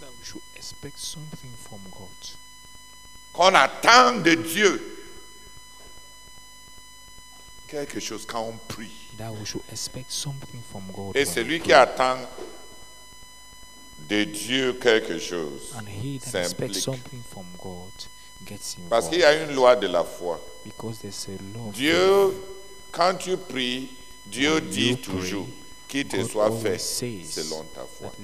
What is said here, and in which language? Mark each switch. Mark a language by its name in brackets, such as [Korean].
[English] that we should expect something from God. [French] Qu'on attend de Dieu quelque chose quand on prie. [English] That we should expect something from God. [French] Et celui qui attend de Dieu quelque chose. [English] And he that expects something from God gets involved. [French] Parce qu'il y a une loi de la foi. [English] Because there's a law. [French] Dieu, quand tu pries, Dieu dit toujours qu'il te soit fait selon ta foi.